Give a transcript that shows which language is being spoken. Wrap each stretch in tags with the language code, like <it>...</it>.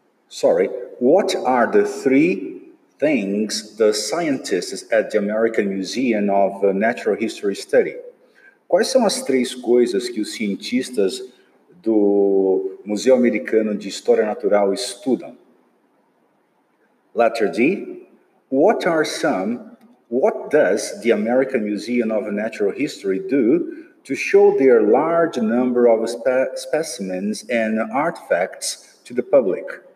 <en>What are the 3 things the scientists at the American Museum of Natural History study?</en> <pt>Quais são as 3 coisas que os cientistas do Museu Americano de História Natural estudam?</pt> <en>Letter D. What does the American Museum of Natural History do to show their large number of specimens and artifacts to the public?</en>